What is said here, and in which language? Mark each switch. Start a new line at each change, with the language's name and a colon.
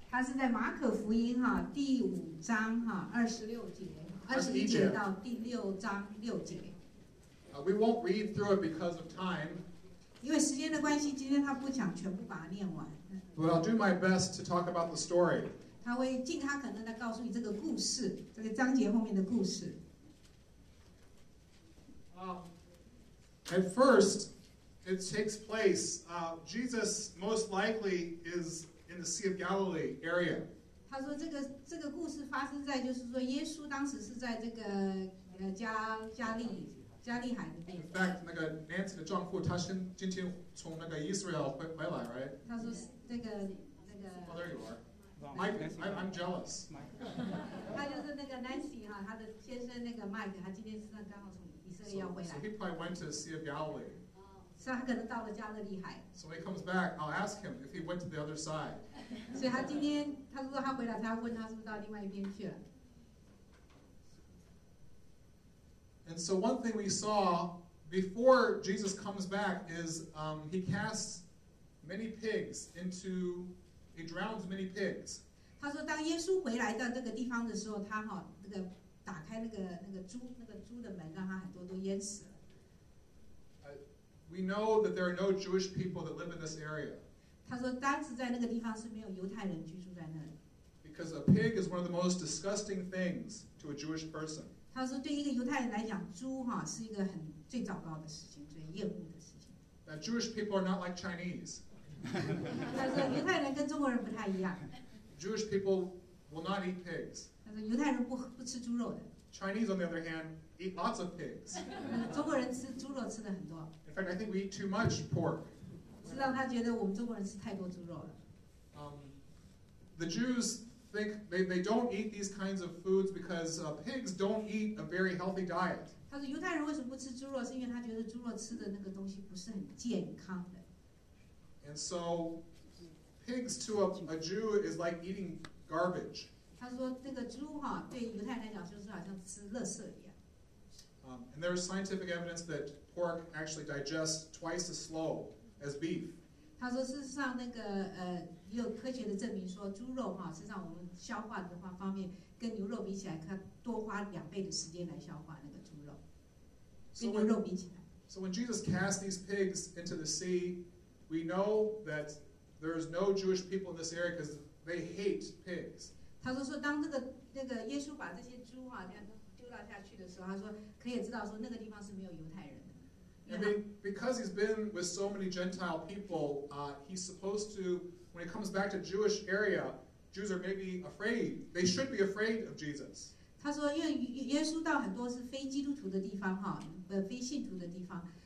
Chinese: 他是在马可福音第五章二十一节到第六章六节。
English: We won't read through it because of time.
Chinese: 因为时间的关系，今天他不想全部把它念完。
English: But I'll do my best to talk about the story.
Chinese: 他会尽他可能的告诉你这个故事，这个章节后面的故事。
English: At first, it takes place. Jesus most likely is. In the Sea of Galilee area.
Chinese: 他说这个故事发生在就是说耶稣当时是在这个加利海的地方。
English: In fact,
Chinese: 那个 Nancy 的丈夫他先今天从那个 Israel 回来 ，right? 他说那个。
English: Oh, there you are. I'm jealous.
Chinese: 他就是那个 Nancy 他的先生那个 Mike， 他今天是刚好从以色列要回来。
English: So he probably went to the Sea of Galilee.
Chinese: 所以他可能到了加勒利海。
English: So he comes back, I'll ask him if he went to the other side.
Chinese: 所以他今天他说他回来，他要问他是不是到另外一边去了。
English: And so one thing we saw before Jesus comes back is he casts many pigs into he drowns many pigs.
Chinese: 他说当耶稣回来到这个地方的时候，他那个打开那个猪的门，让他很多都淹死了。
English: We know that there are no Jewish people that live in this area.
Chinese: 他说当时在那个地方是没有犹太人居住在那里。
English: Because a pig is one of the most disgusting things to a Jewish person.
Chinese: 他说对一个犹太人来讲，猪是一个很最糟糕的事情，最厌恶的事情。
English: That Jewish people are not like Chinese.
Chinese: 他说犹太人跟中国人不太一样。
English: Jewish people will not eat pigs.
Chinese: 他说犹太人不吃猪肉的。
English: Chinese, on the other hand, eat lots of pigs.
Chinese: 中国人吃猪肉吃的很多。
English: In fact, I think we eat too much pork.
Chinese: 是让他觉得我们中国人吃太多猪肉了。
English: The Jews think they don't eat these kinds of foods because pigs don't eat a very healthy diet.
Chinese: 他说犹太人为什么不吃猪肉，是因为他觉得猪肉吃的那个东西不是很健康的。
English: And so, pigs to a Jew is like eating garbage.
Chinese: 他说这个猪对犹太人来讲就是好像吃垃圾一样。
English: And there is scientific evidence that pork actually digests twice as slow as beef.
Chinese: 他说事实上那个也有科学的证明说猪肉实际上我们消化的方面跟牛肉比起来它多花两倍的时间来消化那个猪肉。跟牛肉比起来。
English: So when Jesus cast these pigs into the sea, we know that there is no Jewish people in this area because they hate pigs.
Chinese: 他说当那个耶稣把这些猪丢到下去的时候，他说可以知道说那个地方是没有犹太人的。
English: Because he's been with so many Gentile people, he's supposed to, when he comes back to Jewish area, Jews are maybe afraid, they should be afraid of Jesus.
Chinese: 他说因为耶稣到很多是非基督徒的地方，非信徒的地方，